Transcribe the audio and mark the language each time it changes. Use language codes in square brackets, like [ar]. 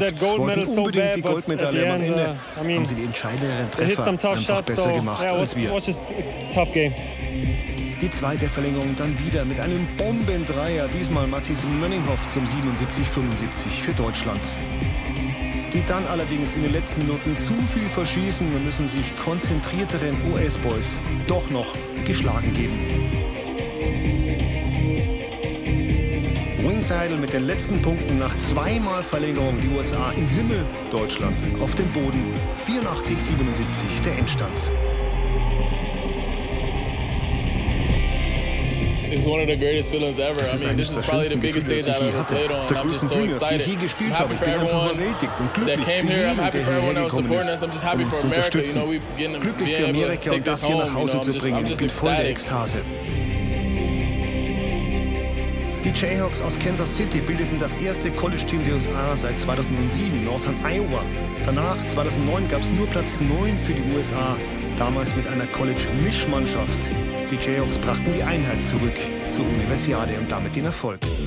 [en] Wanted that gold medal so bad, but at the end, I mean, they hit some tough shots, so yeah, it was just a tough game. [de] Die zweite Verlängerung dann wieder mit einem Bombendreier, diesmal Mathis Mönninghoff zum 77-75 für Deutschland. Die dann allerdings in den letzten Minuten zu viel verschießen und müssen sich konzentrierteren US-Boys doch noch geschlagen geben. Wingsidel mit den letzten Punkten nach zweimal Verlängerung, die USA im Himmel, Deutschland auf dem Boden. 84-77 der Endstand. [en] It's one of the greatest feelings ever. I mean, this is probably the biggest stage I've ever played on. I'm just so excited. I'm happy for everyone that came here. I'm happy for everyone that was supporting us. I'm just happy for America. You know, we're getting to be able to take this home. You know, I'm just ecstatic. [de] Die Jayhawks aus Kansas City bildeten das erste College-Team der USA seit 2007, Northern Iowa. Danach, 2009, gab es nur Platz 9 für die USA, damals mit einer College-Mischmannschaft. Die Jayhawks brachten die Einheit zurück zur Universiade und damit den Erfolg.